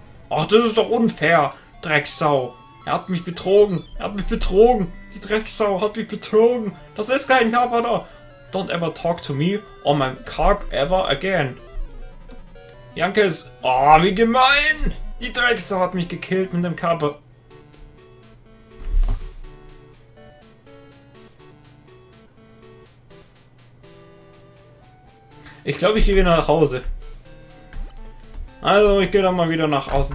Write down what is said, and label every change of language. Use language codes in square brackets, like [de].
[de] Ach, das ist doch unfair, Drecksau. Er hat mich betrogen. Er hat mich betrogen. Die Drecksau hat mich betrogen. Das ist kein Carpador. [en] Don't ever talk to me or my carp ever again. [de] Yankees. Oh, wie gemein. Die Drecksau hat mich gekillt mit dem Carpador. Ich glaube, ich gehe wieder nach Hause. Also, ich gehe dann mal wieder nach Hause.